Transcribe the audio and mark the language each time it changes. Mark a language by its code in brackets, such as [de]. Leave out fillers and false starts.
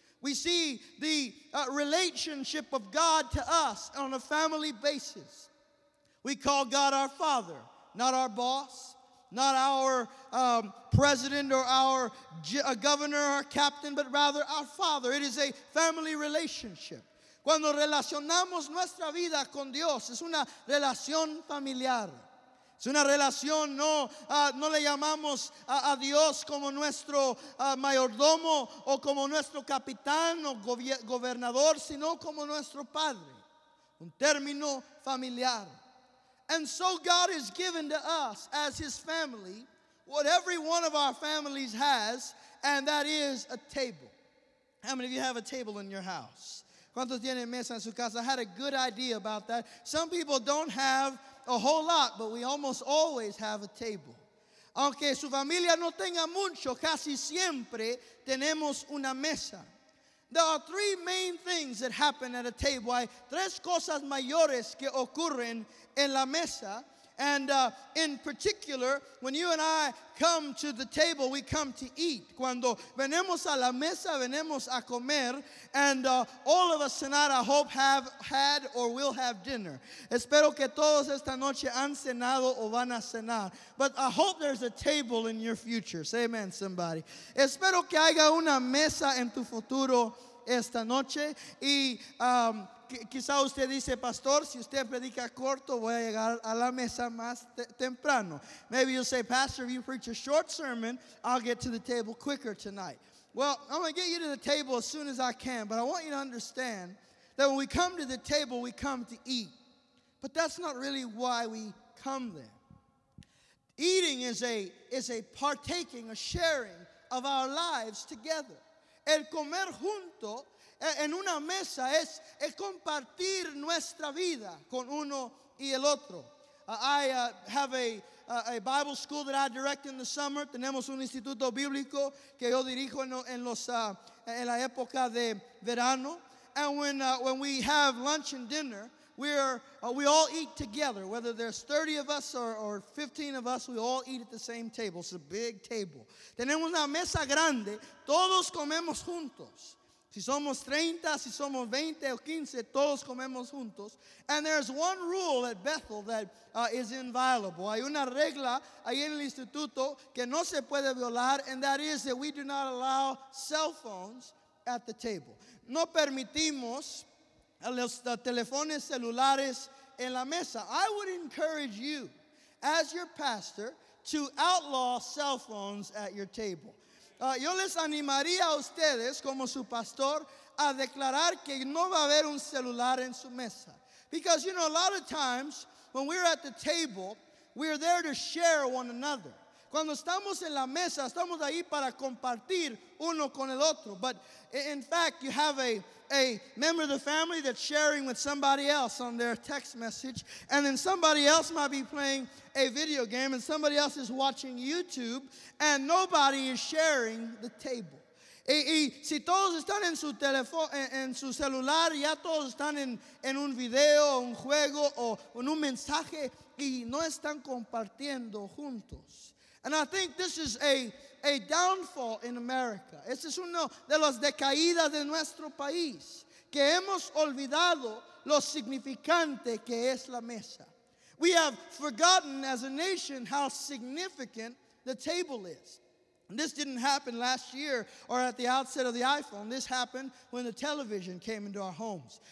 [en] We see the relationship of God to us on a family basis. We call God our Father, not our boss, not our president or our governor or captain, but rather our Father. It is a family relationship. [es] Cuando relacionamos nuestra vida con Dios, es una relación familiar. Es una relación, no le llamamos a Dios como nuestro mayordomo o como nuestro capitán o gobernador, sino como nuestro padre. Un término familiar. [en] And so God has given to us as his family what every one of our families has, and that is a table. How many of you have a table in your house? [es] ¿Cuántos tienen mesa en su casa? [en] I had a good idea about that. Some people don't have a whole lot, but we almost always have a table. [es] Aunque su familia no tenga mucho, casi siempre tenemos una mesa. [en] There are three main things that happen at a table. [es] Hay tres cosas mayores que ocurren en la mesa. [en] And in particular, when you and I come to the table, we come to eat. [es] Cuando venimos a la mesa, venimos a comer. [en] And all of us tonight, I hope, have had or will have dinner. [es] Espero que todos esta noche han cenado o van a cenar. [en] But I hope there's a table in your future. Say amen, somebody. [es] Espero que haya una mesa en tu futuro esta noche. Y quizá usted dice, pastor, si usted predica corto, voy a llegar a la mesa más temprano. [en] Maybe you'll say, pastor, if you preach a short sermon, I'll get to the table quicker tonight. Well, I'm going to get you to the table as soon as I can, but I want you to understand that when we come to the table, we come to eat. But that's not really why we come there. Eating is a partaking, a sharing of our lives together. [es] El comer junto en una mesa es compartir nuestra vida con uno y el otro. [en] I have a Bible school that I direct in the summer. [es] Tenemos un instituto bíblico que yo dirijo en la época de verano. [en] And when we have lunch and dinner, we all eat together. Whether there's 30 of us or 15 of us, we all eat at the same table. It's a big table. [es] Tenemos una mesa grande. Todos comemos juntos. Si somos 30, si somos 20 o 15, todos comemos juntos. [en] And there's one rule at Bethel that is inviolable. [es] Hay una regla ahí en el instituto que no se puede violar, [en] and that is that we do not allow cell phones at the table. [es] No permitimos los teléfonos celulares en la mesa. [en] I would encourage you, as your pastor, to outlaw cell phones at your table. [es] Yo les animaría a ustedes, como su pastor, a declarar que no va a haber un celular en su mesa. [en] Because, you know, a lot of times, when we're at the table, we're there to share one another. [es] Cuando estamos en la mesa, estamos ahí para compartir uno con el otro. [en] But in fact, you have a member of the family that's sharing with somebody else on their text message. And then somebody else might be playing a video game and somebody else is watching YouTube and nobody is sharing the table. [es] Y si todos están en su teléfono, en su celular, ya todos están en un video, un juego o en un mensaje y no están compartiendo juntos. [en] And I think this is a downfall in America. [es] Este es uno de los decaídas de nuestro país, que hemos olvidado lo significante que es la mesa. [en] We have forgotten as a nation how significant the table is. And this didn't happen last year or at the outset of the iPhone. This happened when the television came into our homes.